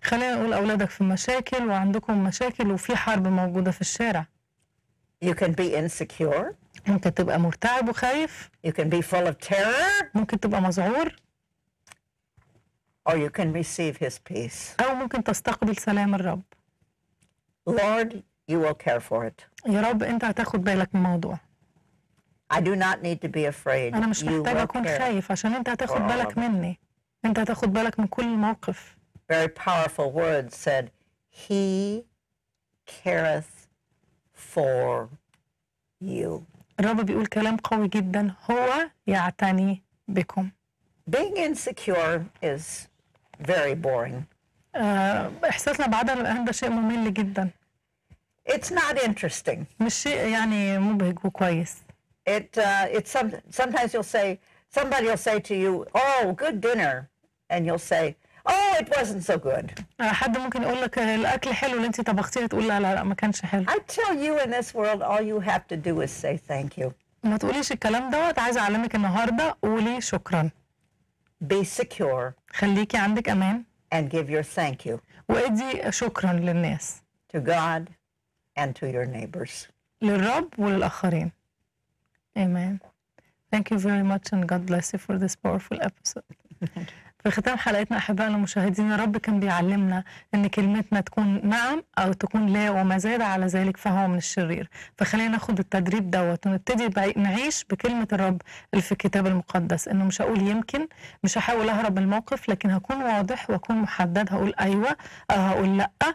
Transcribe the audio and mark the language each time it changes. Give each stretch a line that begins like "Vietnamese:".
Arabic: خلينا نقول أولادك في مشاكل وعندكم مشاكل وفي حرب موجودة في الشارع.
English: You can be insecure.
Arabic: ممكن تبقى مرتعب وخايف.
English: You can be full of terror.
Arabic: ممكن تبقى مذعور.
English: Or you can receive his peace.
Arabic: أو ممكن تستقبل سلام الرب.
English: Lord, you will care for it.
Arabic: يا رب أنت هتاخد بالك من الموضوع.
English: I do not need to be afraid.
Arabic: أنا مش محتاج أكون خايف عشان أنت هتاخد بالك مني. أنت هتاخد بالك من كل الموقف.
English: Very powerful words said, He careth for you.
Arabic: الرب بيقول كلام قوي جدا هو يعتني بكم.
English: Being insecure is very boring.
Arabic: إحساسنا بعدم الأمان ده شيء ممل جدا.
English: It's not interesting.
Arabic: مش شيء يعني مبهج وكويس.
English: Sometimes you'll say, somebody will say to you, oh, good dinner. And you'll say, oh, it wasn't so good.
Arabic: حد ممكن يقول لك الأكل حلو اللي انت طبختيه تقول لا لا لا ما كانش حلو.
English: I tell you in this world, all you have to do is say thank you.
Arabic: ما تقوليش الكلام دوت عايز أعلمك النهاردة قولي شكرا.
English: Be secure.
Arabic: خليكي عندك أمان.
English: And give your thank you.
Arabic: وادي شكرا للناس.
English: To God and to your neighbors.
Arabic: للرب وللآخرين. Amen.
English: Thank you very much and God bless you for this powerful episode.
Arabic: في ختام حلقتنا أحبائنا المشاهدين يا رب كان بيعلمنا أن كلمتنا تكون نعم أو تكون لا وما زاد على ذلك فهو من الشرير. فخلينا ناخد التدريب دوت ونبتدي نعيش بكلمة الرب في الكتاب المقدس أنه مش هقول يمكن مش هحاول أهرب الموقف لكن هكون واضح وأكون محدد هقول أيوة أو هقول لأ